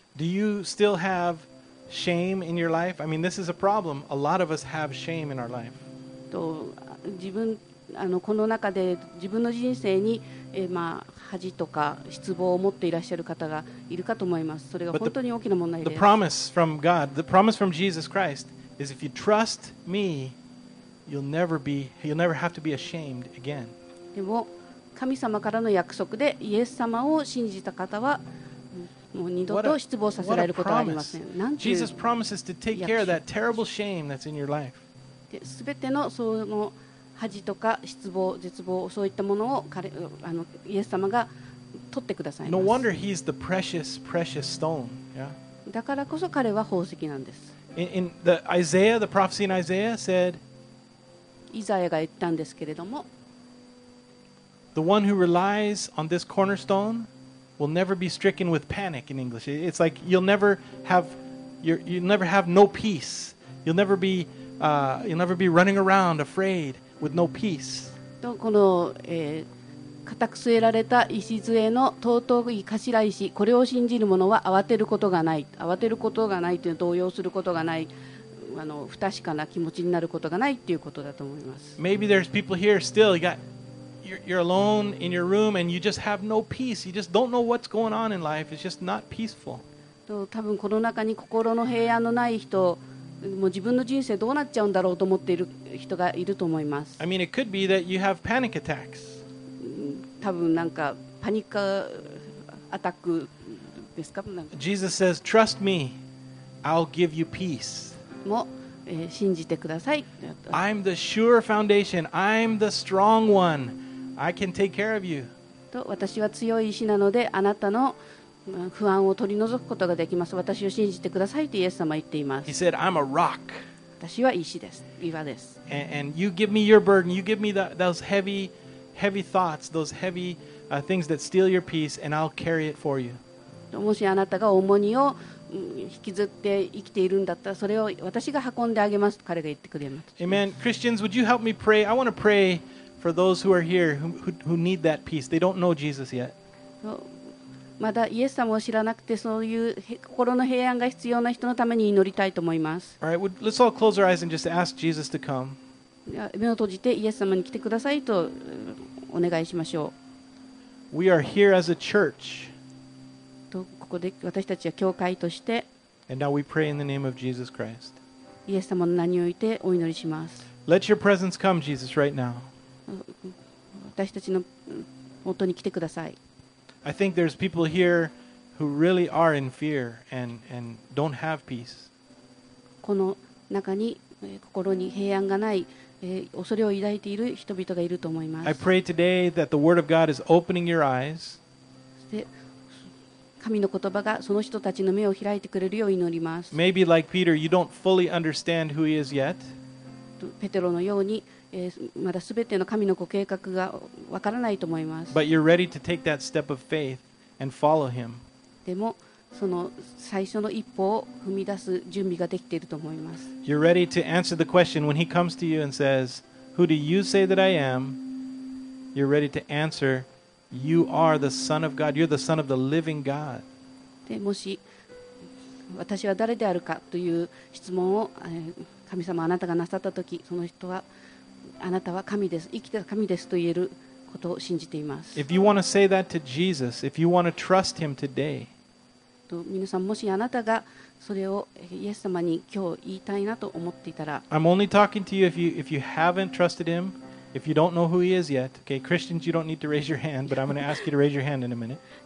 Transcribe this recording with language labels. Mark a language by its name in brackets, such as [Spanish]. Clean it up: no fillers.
[English] Do you still have shame in your life? I mean, this is a problem. A lot of us have shame in our life. [Japanese] と自分この中で自分の人生に、まあ、恥とか失望を持っていらっしゃる方がいるかと思います。それが本当に大きな問題です。 [English] The promise from God, the promise from Jesus Christ is if you trust me, you'll never have to be ashamed again. [Japanese] でも神様からの約束でイエス様を信じた方はもう二度と失望させられることはありません。なんていう [English] Jesus promises to take care of that terrible shame that's in your life. [Japanese] すべてのその恥とか失望、絶望、そういったものを彼イエス様が取ってくださいます。 [English] No wonder he's the precious, precious stone. Yeah. [Japanese] だからこそ彼は宝石なんです。 [English] In the Isaiah, the prophecy in Isaiah said, [Japanese] イザヤが言ったんですけれども、 [English] The one who relies on this cornerstone will never be stricken with panic in English. It's like you'll never have no peace. You'll never be running around afraid with no peace. [Japanese] この、固く据えられた石杖の尊い頭石、これを信じる者は慌てることがない。慌てることがないというのは動揺することがない。あの不確かな気持ちになることがないっていうことだと思います。 [English] Maybe there's people here still. You're alone in your room and you just have no peace. You just don't know what's going on in life. It's just not peaceful. [Japanese] 多分この中に心の平安のない人、もう自分の人生どうなっちゃうんだろうと思っている人がいると思います。 [English] I mean, it could be that you have panic attacks. [Japanese] 多分なんかパニックアタックですか？なんか。 [English] Jesus says, "Trust me. I'll give you peace." [Japanese] も、信じてください。 [English] I'm the sure foundation. I'm the strong one. I can take care of you. [Japanese] と、私は強い石なので、あなたの不安を取り除くことができます。私を信じてくださいとイエス様は言っています。 [English] He said, I'm a rock. [Japanese] 私は石です。岩です。 [English] And you give me your burden. You give me those heavy, heavy thoughts, those heavy things that steal your peace, and I'll carry it for you. [Japanese] もしあなたが重荷を引きずって生きているんだったらそれを私が運んであげますと彼が言ってくれます。 [English] Amen. Christians, would you help me pray? I want to pray for those who are here who need that peace. They don't know Jesus yet. [Japanese] まだイエス様を知らなくてそういう心の平安が必要な人のために祈りたいと思います。 [English] All right, let's all close our eyes and just ask Jesus to come. [Japanese] 目を閉じてイエス様に来てくださいとお願いしましょう。 [English] We are here as a church. [Japanese] ここで私たちは教会としてイエス様の名においてお祈りします。 [English] Let your presence come, Jesus, right now. [Japanese] 私たちの元に来てください。 [English] I think there's people here who really are in fear and don't have peace. [Japanese] この中に心に平安がない恐れを抱いている人々がいると思います。 [English] I pray today that the Word of God is opening your eyes. [Japanese] 神の言葉がその人たちの目を開いてくれるよう祈ります。 [English] Maybe like Peter, you don't fully understand who he is yet. [Japanese] ペテロのように、まだすべての神のご計画がわからないと思います。 [English] But you're ready to take that step of faith and follow him. [Japanese] でも、その最初の一歩を踏み出す準備ができていると思います。 [English] You're ready to answer the question when he comes to you and says, "Who do you say that I am?" You're ready to answer. You are the Son of God. You're the Son of the Living God. [Japanese] で、もし私は誰であるかという質問を神様あなたがなさったとき、その人はあなたは神です、生きた神ですと言えることを信じています。 [English] If you want to say that to Jesus, if you want to trust Him today, [Japanese] と皆さんもしあなたがそれをイエス様に今日言いたいなと思っていたら、 [English] I'm only talking to you if you haven't trusted Him. If you don't know who he is yet, okay, Christians, you don't need to raise your hand, but I'm going to ask you to raise your hand in a minute.